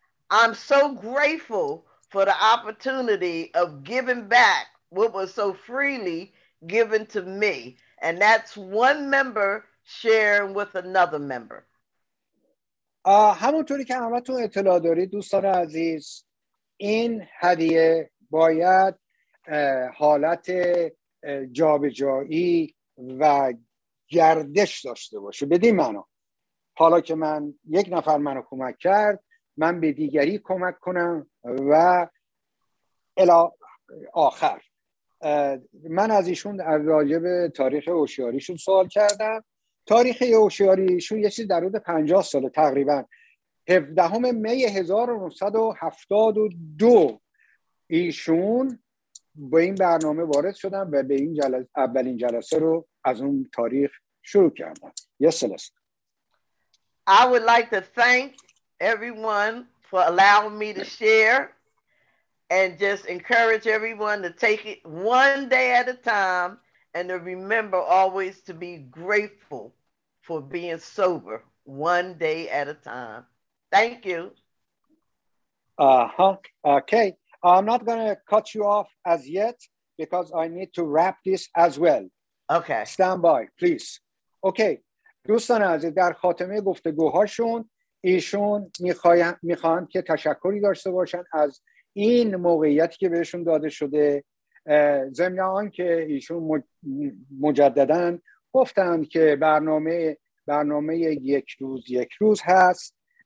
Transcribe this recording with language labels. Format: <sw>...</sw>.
<en>I'm so grateful for the opportunity of giving back what was so freely given to me, and that's one member sharing with another member.</en> <fa>همونطوری که همتون اطلاع دارید دوستان عزیز، این هدیه باید حالت جابجایی و گردش داشته باشه. بدین معنا حالا که من یک نفر منو کمک کرد، من به دیگری کمک کنم و الی آخر. من از ایشون در راجب تاریخ هوشیاریشون سوال کردم. تاریخ هوشیاریشون یه چیز در حدود 50 ساله، تقریبا 17 می 1972 ایشون به این برنامه وارد شدن و به این اولین جلسه رو از اون تاریخ شروع کردن.</fa> <en>Yes, Celeste. I would like to thank everyone for allowing me to share and just encourage everyone to take it one day at a time and to remember always to be grateful for being sober one day at a time. Thank you. Okay. I'm not going to cut you off as yet because I need to wrap this as well. Okay. Stand by, please. Okay.</en> <fa>دوستان عزیز، در خاتمه گفتگوهاشون ایشون میخوان که تشکری داشته باشن از این موقعیتی که بهشون داده شده، ضمن آن که ایشون مجدداً گفتند که برنامه یک روز هست.</fa>